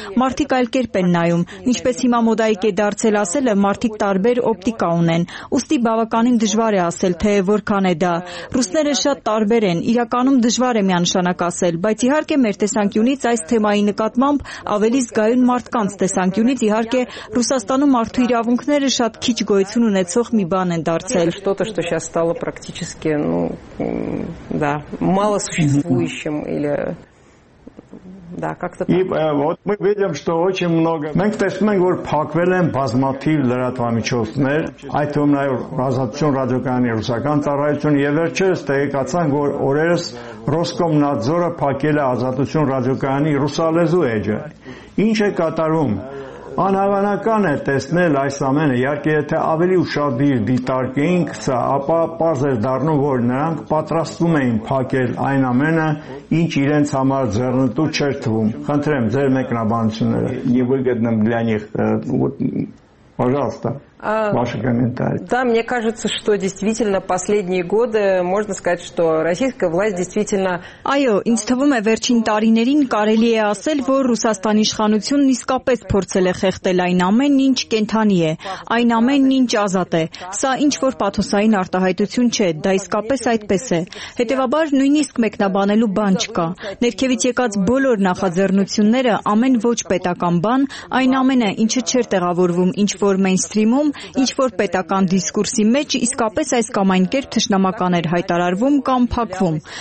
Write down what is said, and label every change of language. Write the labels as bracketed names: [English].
[Armenian] մարդիկ այլ կերպ են նայում, ինչպես հիմա մոդայիկ է դարձել ասելը, մարդիկ տարբեր օպտիկա ունեն, ուստի բավականին դժվար է ասել, թե որքան է դա։ Ռուսները շատ տարբեր են, իրականում դժվար է միանշանակ ասել, բայց իհարկե մեր տեսանկյունից այս թեմայի նկատմամբ ավելի զգայուն մարդկանց տեսանկյունից իհարկե Ռուսաստանում մարդու իրավունքները շատ քիչ գոյություն ունեցող մի բան են դարձել։ [Russian] Что-то, что сейчас стало практически, ну, да, мало существующим или да, как-то так. И вот мы видим, что очень много. [Armenian] Մենք տեսնում ենք, որ փակվել են բազմաթիվ լրատվամիջոցներ, այդ թվում նաև Ռազմական ռադիոկայանի ռուսական ծառայությունը, եւ վերջերս տեղեկացան, որ օրերս Роскомнадзор փակել է Ազատություն ռադիոկայանի ռուսալեզու էջը։ Ինչ է կատարում։ Անհավանական է տեսնել այս ամենը, իհարկե եթե ավելի ուշադիր դիտարկեինք, ապա պարզ էր դառնում, որ նրանք պատրաստվում էին փակել այն ամենը, ինչ իրենց համար ձեռնտու չէր թվում։ Խնդրեմ, ձեր մեկնաբանությունները։ [Russian] Եվ выгодным для них вот, пожалуйста. Ваши комментарии. Да, мне кажется, что действительно последние годы, можно сказать, что российская власть действительно... [Armenian] Այո, ինձ թվում է, վերջին տարիներին կարելի է ասել, որ Ռուսաստանի իշխանությունն իսկապես փորձել է խեղդել այն ամենն, ինչ կենթանի է, այն ամենն, ինչ ազատ է։ Սա ինչ-որ պաթոսային արտահայտություն չէ, դա իսկապես այդպես է։ Հետևաբար նույնիսկ մեկնաբանելու բան չկա։ Ներքևից եկած բոլոր նախաձեռնությունները, ամեն ոչ պետական բան, այն ամենը, ինչը չեր տեղավորվում ինչ-որ մեյնսթրիմ, ինչ որ պետական դիսկուրսի մեջ իսկապես այս կամ այն կերպ թշնամական էր հայտարարվում կամ փակվում,